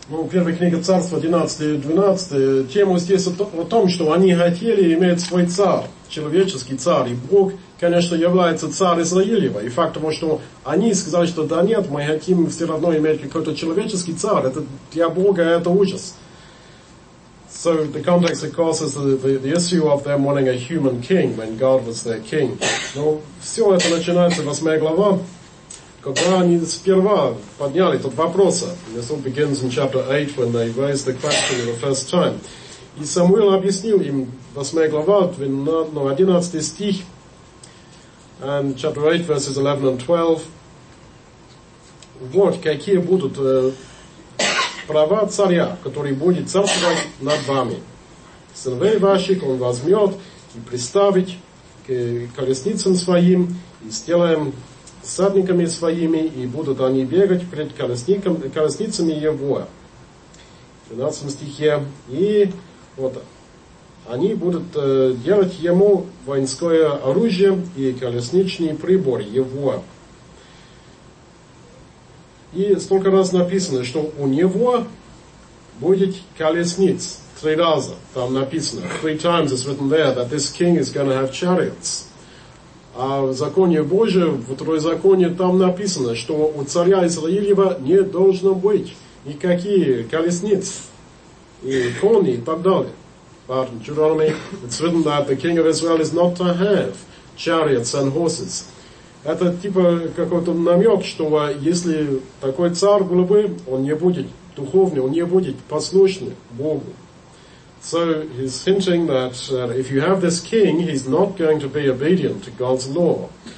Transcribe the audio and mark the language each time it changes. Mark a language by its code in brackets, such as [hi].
[ru] Первая книга царства, 11-12, тема здесь о том, что они хотели иметь свой царь, человеческий царь. И Бог, конечно, является царь Израилева. И факт того, что они сказали, что да нет, мы хотим все равно иметь какой-то человеческий царь, это для Бога это ужас. [en] So the context, of course, is the issue of them wanting a human king when God was their king. [ru] Но все это начинается в 8 главе. Когда они сперва подняли этот вопрос, [en] this all begins in chapter 8 when they raised the question for the first time. [ru] И Самуил объяснил им, 8 глава, 11 стих, [en] and chapter 8, verses 11 and 12, [ru] вот какие будут права царя, который будет царствовать над вами. Сыновей ваших он возьмет и приставит к колесницам своим, и сделаем садниками своими, и будут они бегать пред колесницами его. В 13 стихе. И вот они будут делать ему воинское оружие и колесничный прибор его. И столько раз написано, что у него будет колесниц. Три раза там написано. [en] Three times it's written there that this king is going to have chariots. [ru] А в законе Божьем, в Второзаконе, там написано, что у царя Израилева не должно быть никакие колесниц и кони и так далее. [en] Pardon, Deuteronomy, it's written that the king of Israel is not to have chariots and horses. [ru] Это типа какой-то намек, что если такой царь был бы, он не будет духовный, он не будет послушный Богу. [en] So he's hinting that if you have this king, he's not going to be obedient to God's law.